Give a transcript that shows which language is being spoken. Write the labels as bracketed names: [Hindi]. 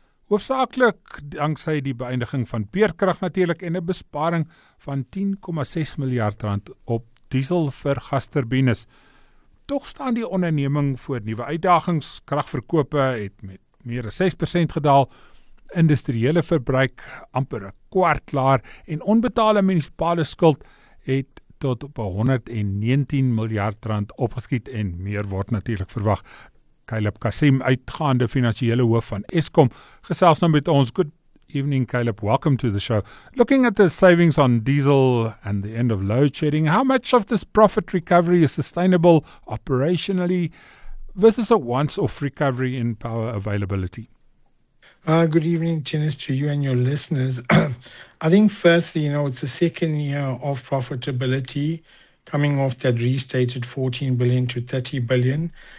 [Afrikaans] Hoofsaaklik danksy die beëindiging van peerkrag natuurlik en 'n besparing van 10,6 miljard rand op diesel vir gasturbines. Tog staan die onderneming voor nuwe uitdagings. Kragverkope het met meer as 6% gedaal. Industriële verbruik amper 'n kwart laer en onbetaalde munisipale skuld het tot op 119 miljard rand opgeskiet en meer word natuurlik verwag. Caleb Kassim, uitgaande finansiële hoof van Eskom, gesels nou met ons. [English] Good evening, Caleb. Welcome to the show. Looking at the savings on diesel and the end of load shedding, how much of this profit recovery is sustainable operationally versus a once-off recovery in power availability? Good evening, Dennis, to you and your listeners. I think firstly, you know, it's the second year of profitability coming off that restated 14 billion to 30 billion.